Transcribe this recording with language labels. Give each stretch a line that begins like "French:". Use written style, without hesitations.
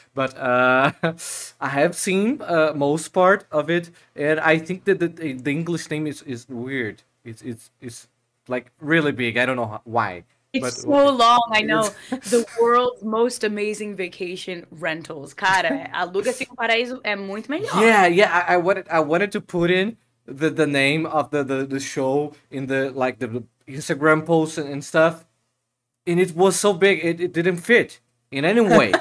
English: But I have seen most part of it. And I think that the English name is weird. It's like really big. I don't know why. It's so long. I know. The world's most amazing vacation rentals.
Portuguese: Cara, Aluga-se um Paraíso é muito melhor.
English: Yeah, yeah. I wanted to put in the name of the show in the like the Instagram posts and stuff, and it was so big it didn't fit in any way.